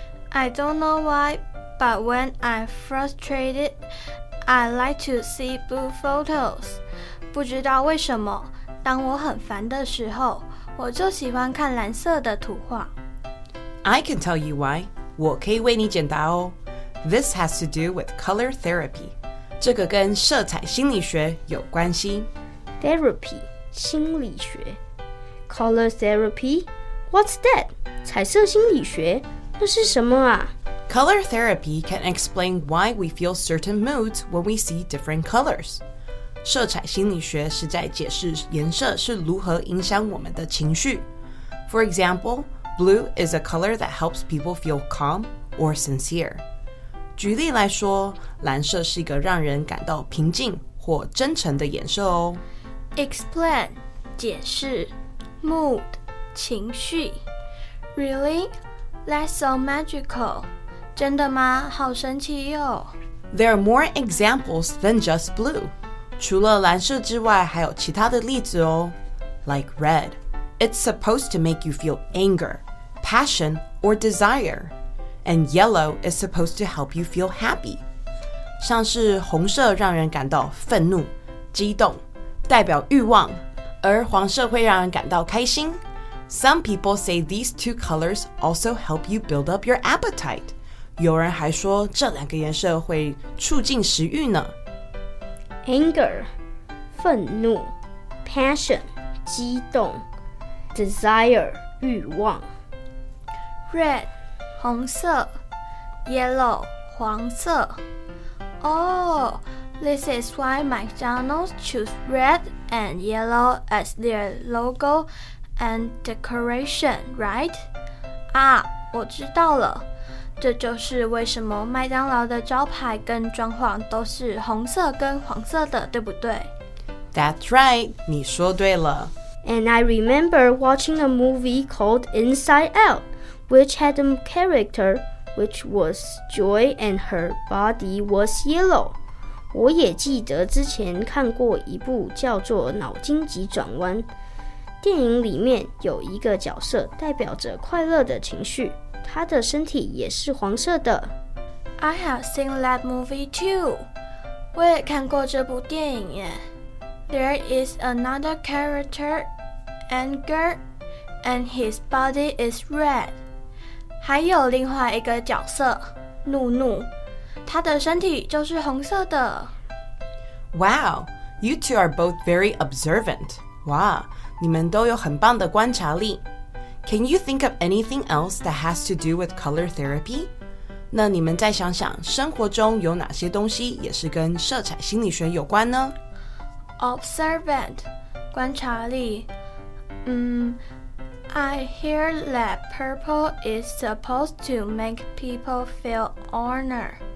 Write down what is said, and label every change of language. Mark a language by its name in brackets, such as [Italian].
[English] I don't know why, but when I'm frustrated, I like to see blue photos. [Chinese] 不知道为什么，当我很烦的时候，我就喜欢看蓝色的图画。 [English] I can tell you why, [Chinese] 我可以为你解答哦。 [English] This has to do with color therapy. [Chinese] 这个跟色彩心理学有关系。 [English] Therapy 心理学。Color therapy? What's that? [Chinese] 彩色心理学？那是什么啊？ [English] Color therapy can explain why we feel certain moods when we see different colors. [Chinese] 色彩心理学是在解释颜色是如何影响我们的情绪。 [English] For example, blue is a color that helps people feel calm or sincere. [Chinese] 举例来说，蓝色是一个让人感到平静或真诚的颜色哦。 [English] Explain 解释 ，mood 情绪 ，Really? That's so magical. [Chinese] 真的吗？好神奇哟、哦。 [English] There are more examples than just blue. [Chinese] 除了蓝色之外，还有其他的例子哦。 [English] Like red, it's supposed to make you feel anger, passion, or desire. And yellow is supposed to help you feel happy. [Chinese] 像是红色让人感到愤怒、激动，代表欲望，而黄色会让人感到开心。 [English] Some people say these two colors also help you build up your appetite. [Chinese] 有人还说这两个颜色会促进食欲呢。 [English] Anger, 愤怒 Passion, 激动 Desire, 欲望 Red,红色 ，yellow， 黄色。 Oh, this is why McDonald's choose red and yellow as their logo and decoration, right? [Chinese] 啊，我知道了，这就是为什么麦当劳的招牌跟装潢都是红色跟黄色的，对不对？ [English] That's right， [Chinese] 你说对了。 [English] And I remember watching a movie called Inside Out. Which had a character, which was Joy, and her body was yellow. [Chinese] 我也记得之前看过一部叫做《脑筋急转弯》，电影里面有一个角色代表着快乐的情绪，他的身体也是黄色的。 [English] I have seen that movie too. [Chinese] 我也看过这部电影耶。 [English] There is another character, Anger, and his body is red. [Chinese] 还有另外一个角色，怒怒，他的身体就是红色的。 [English] Wow, you two are both very observant. [Chinese] 哇，你们都有很棒的观察力。 [English] Can you think of anything else that has to do with color therapy? [Chinese] 那你们再想想，生活中有哪些东西也是跟色彩心理学有关呢？ [English] Observant, 观察力，I hear that purple is supposed to make people feel honor.